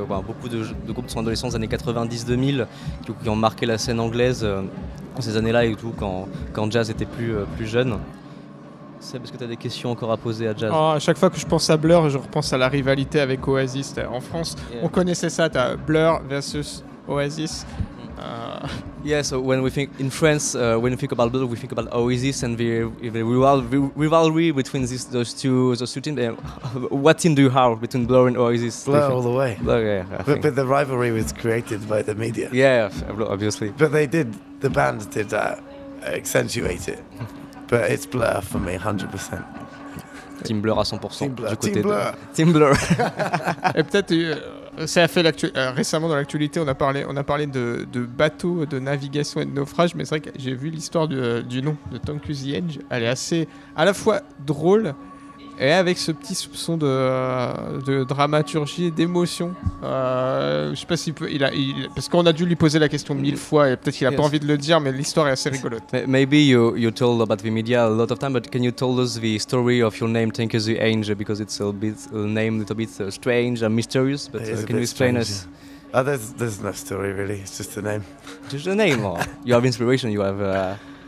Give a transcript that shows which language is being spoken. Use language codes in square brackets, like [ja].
[fr] Bah, beaucoup de groupes de son adolescence, années 90-2000, qui ont marqué la scène anglaise. Ces années-là et tout, quand Jazz était plus jeune. Seb, est-ce que tu as des questions encore à poser à Jazz? Oh, à chaque fois que je pense à Blur, je repense à la rivalité avec Oasis. En France, on connaissait ça, t'as Blur versus Oasis. [en] Yeah, so when we think in France, when we think about Blur, we think about Oasis and the rivalry between those two teams. What team do you have between Blur and Oasis? Blur all the way. Blur, yeah. But the rivalry was created by the media. Yeah, obviously. But they did. The band did accentuate it. But it's Blur for me, 100%. Team Blur [fr] à 100%. Team Blur. Du côté team Blur. [en] Team Blur. [fr] Et peut-être. Ça a fait récemment dans l'actualité, on a parlé de bateaux, de navigation et de naufrage, mais c'est vrai que j'ai vu l'histoire du nom de Tanqueray Edge. Elle est assez à la fois drôle et avec ce petit soupçon de dramaturgie, d'émotion. Je sais pas s'il peut, parce qu'on a dû lui poser la question mille fois et peut-être qu'il a pas envie de le dire, mais l'histoire est assez rigolote. [en] Maybe you told about the media a lot of time, but can you tell us the story of your name Tanqueray Edge, because it's a little bit strange and mysterious, but can you explain strange, us? Yeah. Oh, there's no story really. It's just a name. Just a name. Or you have inspiration. You have.